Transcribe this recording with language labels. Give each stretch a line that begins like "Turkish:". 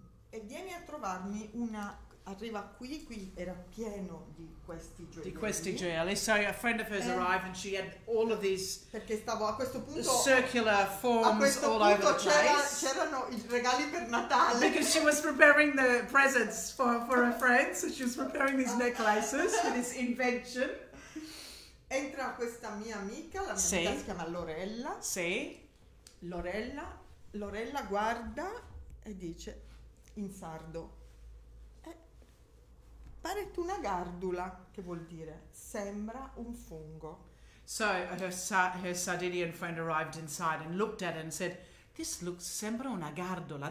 Italian: E viene a trovarmi arriva qui era pieno di questi gioielli. Di questi gioielli.
English: So a friend of hers arrived and she had all of these.
Italian: Perché stavo a questo punto.
English: Circular forms all
Italian: punto
English: over the place.
Italian: C'erano i regali per Natale.
English: Because she was preparing the presents for her friends. So she was preparing these necklaces for this invention.
Italian: Entra questa mia amica, la mia amica si chiama Lorella. Sì. Lorella guarda e dice in sardo:
Sardinian: pare tu una gardula,
Italian: che vuol dire sembra un fungo.
English: So her Sardinian friend arrived inside and looked at it and said, this looks
Italian: sembra una gardula.